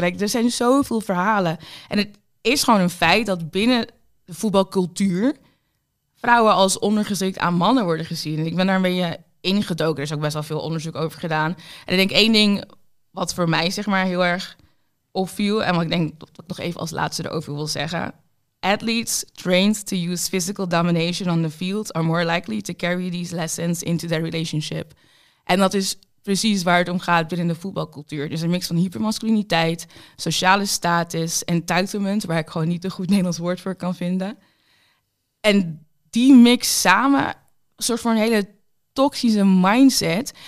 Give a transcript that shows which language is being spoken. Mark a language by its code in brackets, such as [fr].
[nl] Like, er zijn zoveel verhalen. En het is gewoon een feit dat binnen de voetbalcultuur vrouwen als ondergeschikt aan mannen worden gezien. En ik ben daar een beetje ingedoken. Er is ook best wel veel onderzoek over gedaan. En ik denk één ding wat voor mij zeg maar heel erg opviel, en wat ik denk dat ik nog even als laatste erover wil zeggen. [en] Athletes trained to use physical domination on the field are more likely to carry these lessons into their relationship. [nl] En dat is precies waar het om gaat binnen de voetbalcultuur. Dus een mix van hypermasculiniteit, sociale status, entitlement, waar ik gewoon niet een goed Nederlands woord voor kan vinden. En die mix samen, een soort van een hele toxische mindset.